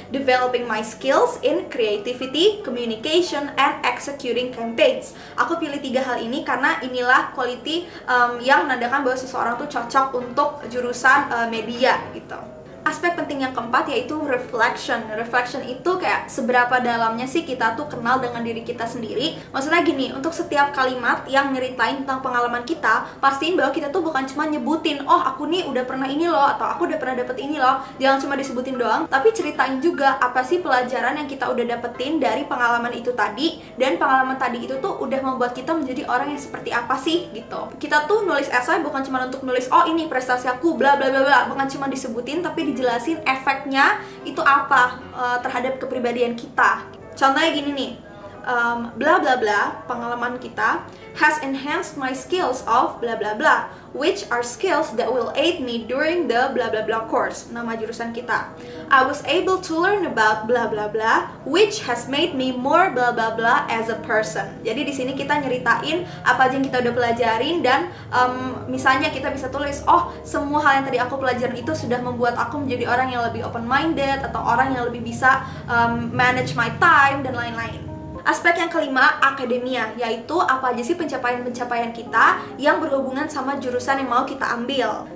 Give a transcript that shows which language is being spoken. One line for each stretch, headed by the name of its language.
English: Developing my skills in creativity, communication, and executing campaigns.
Indonesian: Aku pilih 3 hal ini karena inilah quality yang menandakan bahwa seseorang tuh cocok untuk jurusan media, gitu. Aspek penting yang keempat yaitu reflection. Reflection itu kayak seberapa dalamnya sih kita tuh kenal dengan diri kita sendiri. Maksudnya gini, untuk setiap kalimat yang nyeritain tentang pengalaman kita, pastiin bahwa kita tuh bukan cuma nyebutin, oh aku nih udah pernah ini loh, atau aku udah pernah dapet ini loh. Jangan cuma disebutin doang, tapi ceritain juga apa sih pelajaran yang kita udah dapetin dari pengalaman itu tadi. Dan pengalaman tadi itu tuh udah membuat kita menjadi orang yang seperti apa sih gitu. Kita tuh nulis esai bukan cuma untuk nulis, oh ini prestasi aku, bla bla bla bla. Bukan cuma disebutin, tapi dijelasin efeknya itu apa terhadap kepribadian kita. Contohnya gini nih,
English: bla bla bla,
Indonesian: pengalaman kita
English: has enhanced my skills of bla bla bla, which are skills that will aid me during the bla bla bla course,
Indonesian: nama jurusan kita.
English: I was able to learn about bla bla bla, which has made me more bla bla bla as a person.
Indonesian: Jadi di sini kita nyeritain apa aja yang kita udah pelajarin dan misalnya kita bisa tulis, oh semua hal yang tadi aku pelajarin itu sudah membuat aku menjadi orang yang lebih open minded atau orang yang lebih bisa
English: manage my time
Indonesian: dan lain-lain. Aspek yang kelima, akademia, yaitu apa aja sih pencapaian-pencapaian kita yang berhubungan sama jurusan yang mau kita ambil.